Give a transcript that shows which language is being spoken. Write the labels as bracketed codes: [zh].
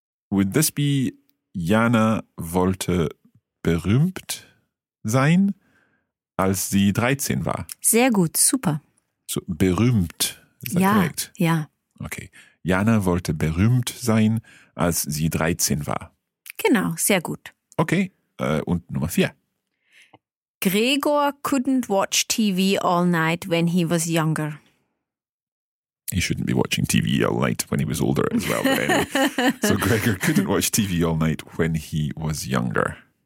[en] Would this be [de] Jana wollte berühmt sein, als sie 13 war? Sehr gut, super. [en] So, berühmt, is that correct? [de] Ja. [en] Okay. [de] Jana wollte berühmt sein, als sie 13 war. Genau, sehr gut. Okay, und Nummer 4. [en] Gregor couldn't watch TV all night when he was younger. He shouldn't be watching TV all night when he was older as well. So Gregor couldn't watch TV all night when he was younger.